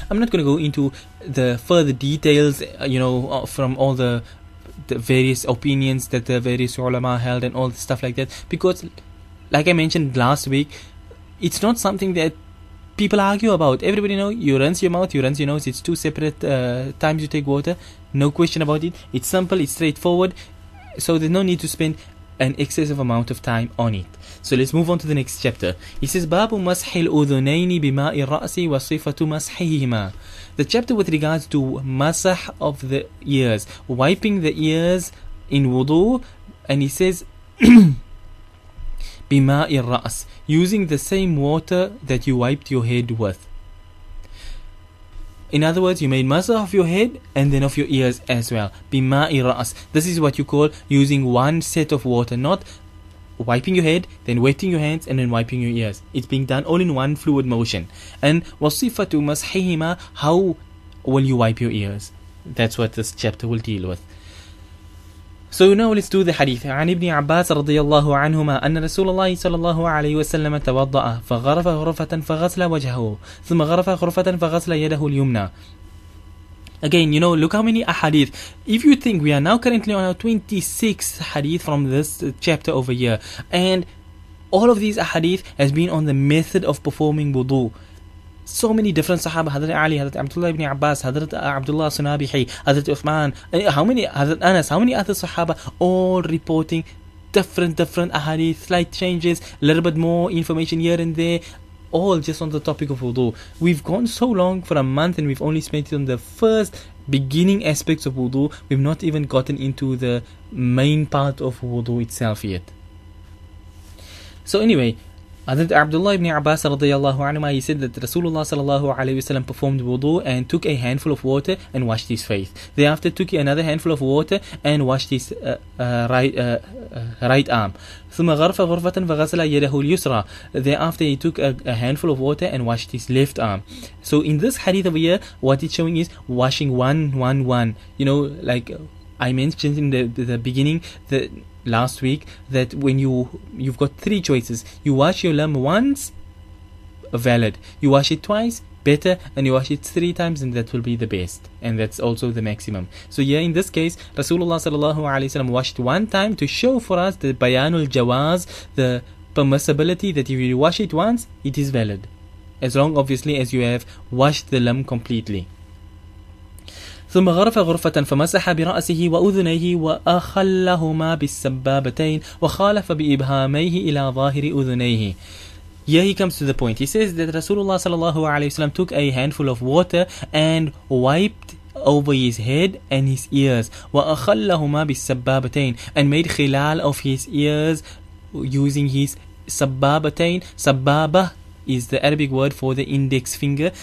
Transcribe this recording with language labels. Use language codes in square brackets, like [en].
[en] I'm not going to go into the further details, you know, from all the various opinions that the various ulama held and all the stuff like that, because like I mentioned last week, it's not something that people argue about. Everybody know you rinse your mouth, you rinse your nose, it's two separate times you take water, no question about it. It's simple, it's straightforward, so there's no need to spend an excessive amount of time on it. So let's move on to the next chapter. It says [ar] باب مسح الأذنين بماء الرأس وصفة مسحهما. [en] The chapter with regards to masah of the ears, wiping the ears in wudu, and he says [ar] بماء الرأس, [en] using the same water that you wiped your head with. In other words, you made masah of your head and then of your ears as well. [ar] Bima'i ra'as. [en] This is what you call using one set of water, not wiping your head, then wetting your hands, and then wiping your ears. It's being done all in one fluid motion. And [ar] wasifatu mashihima, [en] how will you wipe your ears? That's what this chapter will deal with. So now let's do the hadith. [ar] عن ابن عباس رضي الله عنهما أن رسول الله صلى الله عليه وسلم توضأ فغرف غرفة فغسل وجهه ثم غرف غرفة فغسل يده اليمنى. [en] Again, you know, look how many ahadith. If you think we are now currently on our 26th hadith from this chapter over here, and all of these ahadith has been on the method of performing wudu. So many different sahaba, Hadrat Ali, Hadrat Abdullah ibn Abbas, Hadrat Abdullah Sunabihi, Hadrat Uthman, Hadrat Anas, how many other sahaba, all reporting different ahadith, slight changes, a little bit more information here and there, all just on the topic of wudu. We've gone so long for a month and we've only spent it on the first beginning aspects of wudu. We've not even gotten into the main part of wudu itself yet. So anyway, Hadrat Abdullah ibn Abbas radiyallahu anhu, he said that Rasulullah sallallahu alayhi wasallam performed wudu and took a handful of water and washed his face. Thereafter took another handful of water and washed his right arm. [ar] ثم غرف غرفة فغسل يده اليسرى. [en] Thereafter he took a handful of water and washed his left arm. So in this hadith over here, what it's showing is washing one. You know, like I mentioned in the beginning, the last week, that when you've got three choices, you wash your limb once, valid, you wash it twice, better, and you wash it 3 times, and that will be the best, and that's also the maximum. So yeah, in this case, Rasulullah sallallahu alaihi wasallam washed 1 time to show for us the bayanul jawaz, the permissibility, that if you wash it once, it is valid, as long obviously as you have washed the limb completely. [ar] ثم غرف غرفة فمسح برأسه وأذنيه وأخلهما بالسبابتين وخالف بإبهاميه إلى ظاهر أذنيه. [en] Here he comes to the point. He says that Rasulullah sallallahu alaihi wasallam took a handful of water and wiped over his head and his ears. [ar] وأخلهما بالسبابتين, [en] and made خلال of his ears using his سبابتين. سبابة is the Arabic word for the index finger.